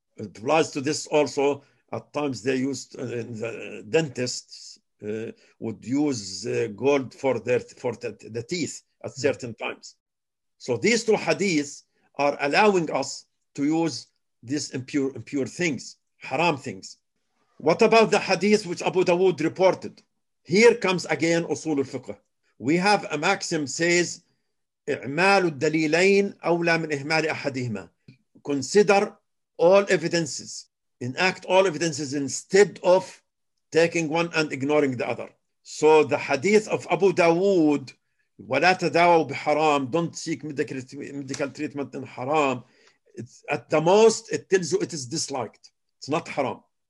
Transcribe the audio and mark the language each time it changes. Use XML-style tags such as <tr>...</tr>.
<en>It applies to this also. At times they used, the dentists would use gold for the teeth at certain times. So these two hadiths are allowing us to use these impure things, haram things. What about the hadith which Abu Dawood reported? Here comes again usul al-fiqh. We have a maxim says,</en> <ar>اعمال الدليلين أولى من إهمال أحدهما.</ar> <en>Consider all evidences. Enact all evidences instead of taking one and ignoring the other. So the hadith of Abu Dawood,</en> <ar>ولا تداووا بحرام,</ar> <en>don't seek medical treatment in haram. It's, at the most, it tells you it is disliked. It's not haram.</en>